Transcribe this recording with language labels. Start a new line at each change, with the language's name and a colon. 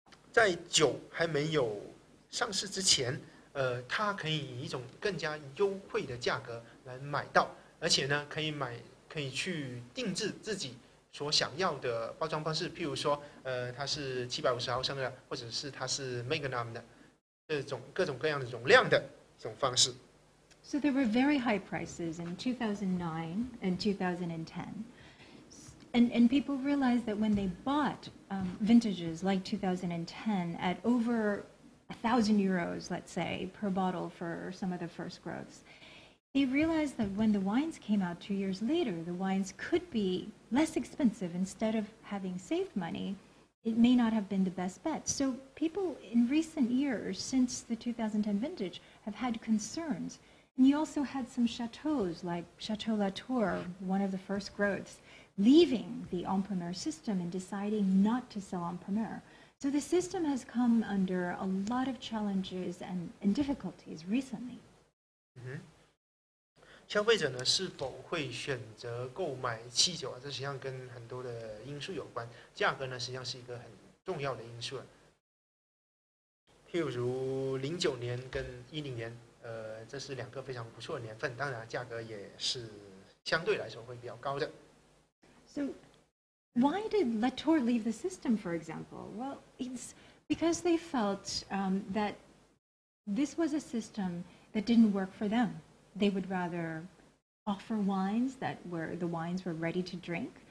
Chinese: 在酒还没有上市之前，它可以以一种更加优惠的价格来买到，而且呢，可以去定制自己所想要的包装方式，譬如说，它是750毫升的，或者是它是 Magnum 的，这种各种各样的容量的这种方式。
English: So there were very high prices in 2009 and 2010, and people realized that when they bought vintages like 2010 at over €1,000, let's say, per bottle for some of the first growths. They realized that when the wines came out 2 years later, the wines could be less expensive. Instead of having saved money, it may not have been the best bet. So people in recent years, since the 2010 vintage, have had concerns. And you also had some chateaus, like Chateau Latour, one of the first growths, leaving the Empremeur system and deciding not to sell Empremeur. So the system has come under a lot of challenges and difficulties recently. Mm-hmm.
Chinese: 消费者呢是否会选择购买汽酒啊？这实际上跟很多的因素有关。价格呢，实际上是一个很重要的因素。譬如09年跟10年，这是两个非常不错的年份。当然，价格也是相对来说会比较高的。
English: So, why did Latour leave the system, for example? Well, it's because they felt that this was a system that didn't work for them. They would rather offer wines that were the wines were ready to drink.